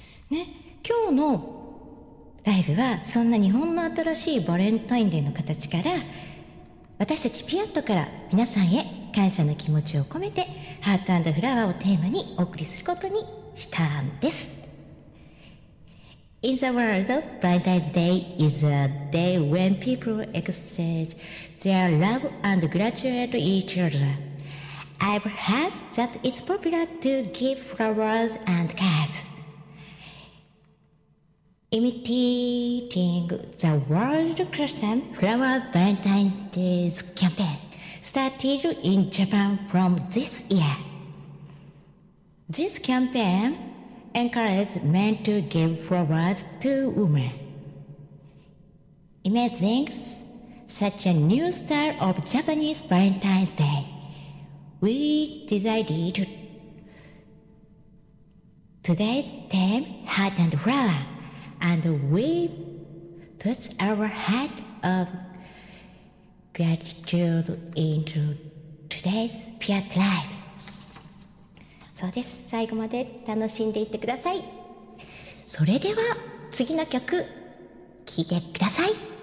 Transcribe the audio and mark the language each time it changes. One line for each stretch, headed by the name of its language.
Japanese: ね、今日のライブはそんな日本の新しいバレンタインデーの形から私たちピアットから皆さんへ感謝の気持ちを込めてハート&フラワーをテーマにお送りすることにしたんです。
English: In the world, Valentine's Day is a day when people exchange their love and gratitude to each other. I've heard that it's popular to give flowers and cards. Imitating the world custom, Flower Valentine's Day campaign started in Japan from this year. This campaignencourage men to give flowers to women. Imagine such a new style of Japanese Valentine's Day. We decided today's theme, heart and flower, and we put our heart of gratitude into today's Piat Live.
Japanese: そうです。最後まで楽しんでいってください。それでは次の曲聴いてください。